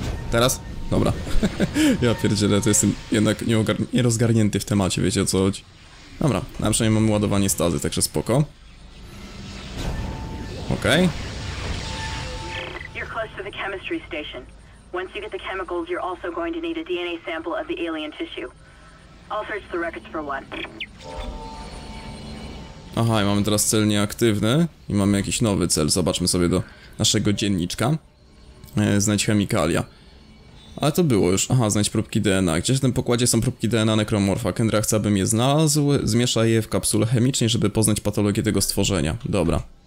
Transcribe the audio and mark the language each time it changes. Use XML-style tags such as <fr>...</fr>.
<pl>Teraz? Dobra. Ja pierdzielę, to jestem jednak nierozgarnięty w temacie, wiecie o co chodzi. Dobra, na przynajmniej mamy ładowanie stazy, także spoko. Okej.</pl> <en>You're close to the chemistry station. Once you get the chemicals, you're also going to need a DNA sample of the alien tissue. I'll search the records for one.</en> <pl>Aha, i mamy teraz cel nieaktywny i mamy jakiś nowy cel. Zobaczmy sobie do naszego dzienniczka. Znajdź chemikalia. Ale to było już. Aha, znajdź próbki DNA. Gdzieś w tym pokładzie są próbki DNA nekromorfa. Kendra chce, abym je znalazł. Zmiesza je w kapsule chemicznej, żeby poznać patologię tego stworzenia. Dobra.</pl>